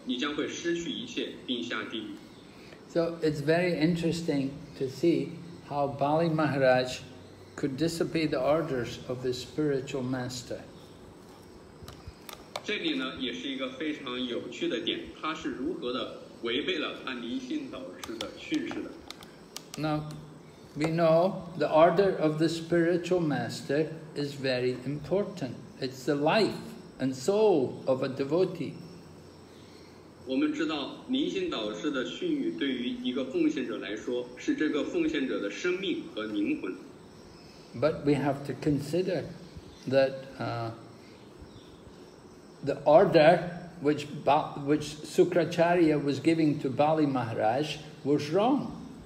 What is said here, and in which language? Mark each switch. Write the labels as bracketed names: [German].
[Chinese] 因为你违背了我的这个训示，所以呢，你将会失去一切，并下地狱。 [English] So it's very interesting to see how Bali Maharaj could disobey the orders of his spiritual master. [Chinese] 这里呢，也是一个非常有趣的点，他是如何的 [English] Now, we know the order of the spiritual master is very important. It's the life and soul of a devotee. [Chinese] 我们知道，灵性导师的训谕对于一个奉献者来说，是这个奉献者的生命和灵魂。 [English] But we have to consider that the order which Sukracharya was giving to Bali Maharaj was wrong.